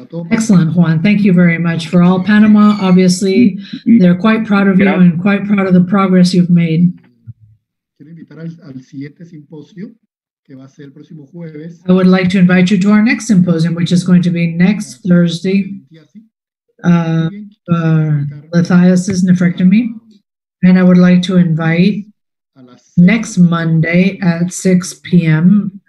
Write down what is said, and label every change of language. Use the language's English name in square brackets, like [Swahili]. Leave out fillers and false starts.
[English] Excellent, Juan. Thank you very much for all Panama. Obviously, they're quite proud of you and quite proud of the progress you've made. [Spanish] Quiero invitar al siguiente simposio, que va a ser el próximo jueves. [English] I would like to invite you to our next symposium, which is going to be next Thursday. Lathias's nephrectomy, and I would like to invite next Monday at 6 p.m.